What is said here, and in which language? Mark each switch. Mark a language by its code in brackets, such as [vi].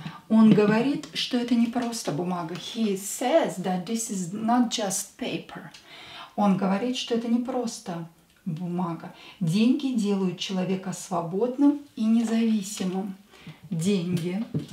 [ru] Он говорит, что это не просто бумага. [en] He says that this is not just paper. [ru] Он говорит, что это не просто бумага. Деньги делают человека свободным и независимым. Деньги